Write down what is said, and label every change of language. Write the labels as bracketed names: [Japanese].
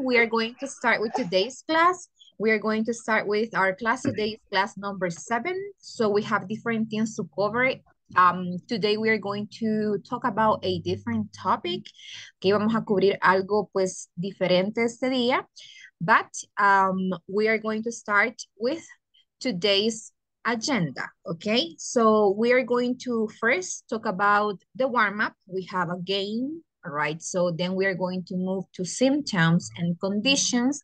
[English] We are going to start with today's class. We are going to start with our class today, class number 7. So we have different things to cover. Today we are going to talk about a different topic. [Spanish] Okay, vamos a cubrir algo pues diferente este día. [English] But we are going to start with today's agenda. Okay, so we are going to first talk about the warm-up. We have a game. All right, so then we are going to move to symptoms and conditions.